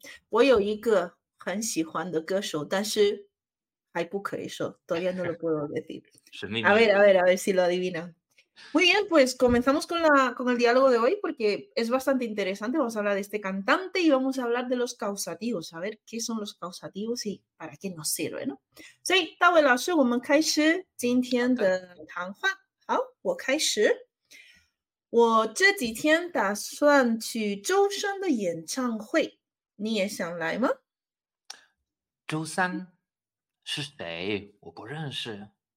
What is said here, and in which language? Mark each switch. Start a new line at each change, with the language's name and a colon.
Chinese: 我有一个很喜欢的歌手，但是还不可以说，
Spanish: todavía no lo puedo decir. A ver si lo adivino. Muy bien, pues comenzamos con el diálogo de hoy, porque es bastante interesante. Vamos a hablar de este cantante y vamos a hablar de los causativos. A ver qué son los causativos y para qué nos sirve, ¿no?
Chinese: Sí, Tawei 老师，我们开始今天的谈话。好，我开始。我这几天打算去周深的演唱会，你也想来吗？周深是谁？我不认识。